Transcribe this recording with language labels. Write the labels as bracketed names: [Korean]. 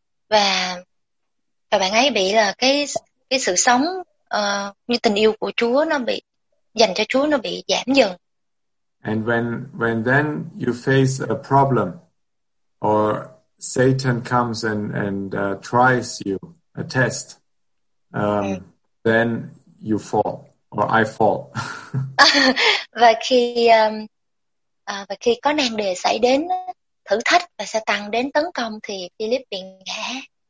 [Vietnamese] Và bạn ấy bị là cái sự sống như tình yêu của Chúa nó bị dành cho Chúa nó bị giảm dần. [English] And when then you face a problem or Satan comes and tries you, a test, then you fall or I fall. [Vietnamese] Và khi có nan đề xảy đến, thử thách và Satan đến tấn công thì Philip bị ngã.